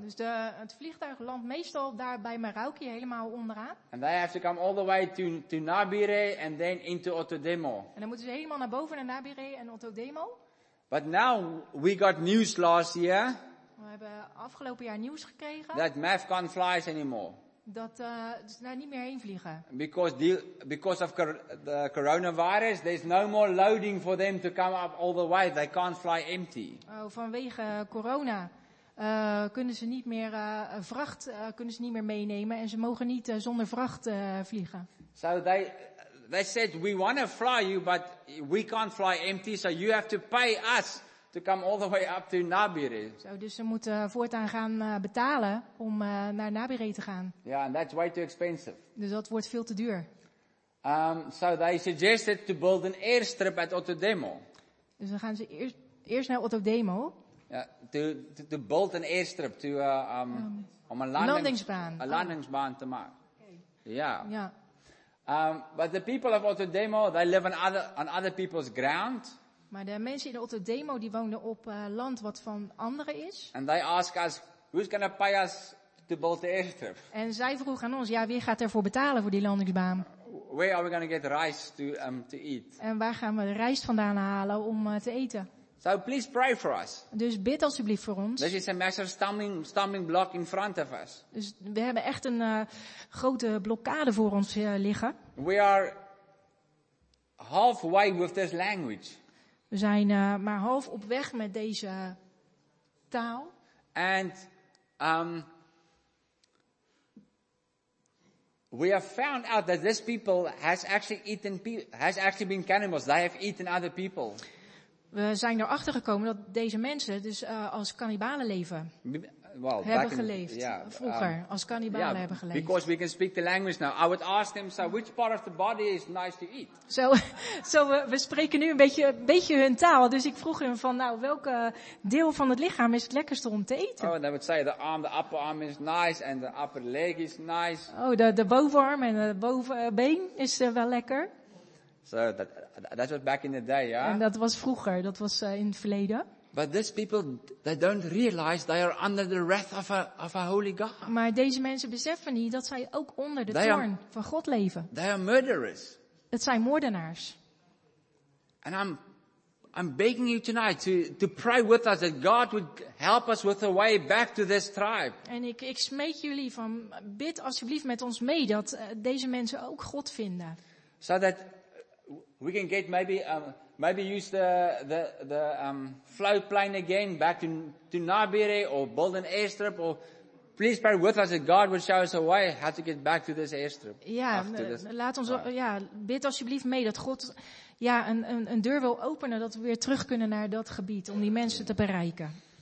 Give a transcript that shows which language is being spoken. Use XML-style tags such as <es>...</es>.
<nl>Dus het vliegtuig landt meestal daar bij Merauke, helemaal onderaan.</nl> <en>And they have to come all the way to Nabire and then into Otodemo.</en> <nl>En dan moeten ze helemaal naar boven naar Nabire en Otodemo.</nl> <en>But now we got news last year.</en> <nl>We hebben afgelopen jaar nieuws gekregen.</nl> <en>That MAF can't fly anymore.</en> <nl>Dat ze daar niet meer heen vliegen.</nl> <en>Because of the coronavirus, there's no more loading for them to come up all the way. They can't fly empty.</en> <nl>Vanwege corona kunnen ze niet meer vracht kunnen ze niet meer meenemen en ze mogen niet zonder vracht vliegen.</nl> <en>So they said we want to fly you, but we can't fly empty, so you have to pay us to come all the way up to Nabire.</en> <nl>So, dus ze moeten voortaan gaan betalen om naar Nabire te gaan.</nl> <en>Yeah, and that's way too expensive.</en> <nl>Dus dat wordt veel te duur.</nl> <en>So they suggested to build an airstrip at Otodemo.</en> <nl>Dus dan gaan ze eerst naar Otodemo.</nl> <en>Yeah, to build an airstrip, to</en> <nl>om een landingsbaan. Een landingsbaan te maken.</nl> <en>Okay. Yeah.</en> <nl>Ja.</nl> <en>But the people of Otodemo, they live on other people's ground.</en> <nl>Maar de mensen in Otodemo die woonden op land wat van anderen is.</nl> <en>And they ask us, who's gonna pay us to build the airstrip?</en> <nl>En zij vroegen aan ons, ja, wie gaat ervoor betalen voor die landingsbaan?</nl> <en>Where are we gonna get rice to eat?</en> <nl>En waar gaan we de rijst vandaan halen om te eten?</nl> <en>So please pray for us.</en> <nl>Dus bid alsjeblieft voor ons.</nl> <en>This is a massive stumbling block in front of us.</en> <nl>Dus we hebben echt een grote blokkade voor ons liggen.</nl> <en>We are halfway with this language.</en> <nl>We zijn maar half op weg met deze taal.</nl> <en>And we have found out that this people has actually been cannibals. They have eaten other people.</en> <nl>We zijn erachter gekomen dat deze mensen dus als kannibalen leven. Hebben geleefd. Vroeger als kannibalen hebben geleefd.</nl> <en>Because we can speak the language now. I would ask them, so which part of the body is nice to eat?</en> <nl>We spreken nu een beetje hun taal. Dus ik vroeg hem van, nou, welke deel van het lichaam is het lekkerste om te eten?</nl> <en>Oh, they would say the upper arm is nice and the upper leg is nice.</en> <nl>Oh, de bovenarm en de bovenbeen is wel lekker.</nl> <en>So that was back in the day, yeah.</en> <nl>En dat was vroeger, dat was in het verleden.</nl> <en>But these people, they don't realize they are under the wrath of a holy God.</en> <nl>Maar deze mensen beseffen niet dat zij ook onder de toorn van God leven.</nl> <en>They are murderers.</en> <nl>Het zijn moordenaars.</nl> <en>And I'm begging you tonight to pray with us that God would help us with a way back to this tribe.</en> <nl>En ik smeek jullie van, bid alsjeblieft met ons mee dat deze mensen ook God vinden.</nl> <en>So that we can get maybe use the float plane again back to Nabire or build an airstrip, or please pray with us that God will show us a way how to get back to this airstrip.</en> <nl>Ja, bid alsjeblieft mee dat God een deur wil openen dat we weer terug kunnen naar dat gebied om die mensen te bereiken.</nl>